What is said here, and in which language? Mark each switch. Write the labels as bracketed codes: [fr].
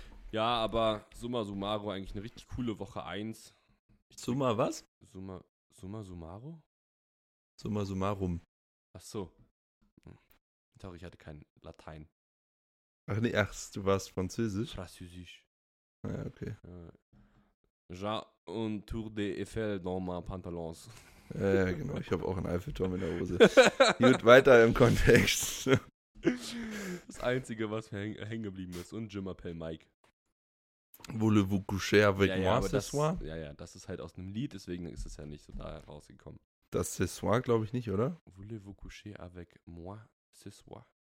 [de] Ja, aber summa summarum eigentlich eine richtig coole Woche 1. Summa was? Summa summarum? Summa summarum. Ach so. Sorry, ich hatte kein Latein. Ach nee, ach, du warst Französisch? Französisch. Ah, ja, okay. [fr] J'ai un tour de Eiffel dans ma pantalons. [de] Ja, genau, ich habe auch einen Eiffelturm in der Hose. Gut, weiter im Kontext. Das Einzige, was mir hängen geblieben ist. Und Jim Appel Mike. [fr] Voulez-vous coucher avec moi ce soir? [de] Ja, ja, das ist halt aus einem Lied, deswegen ist es ja nicht so da rausgekommen. Das [fr] ce soir, [de] glaube ich nicht, oder? [fr] Voulez-vous coucher avec moi ce soir?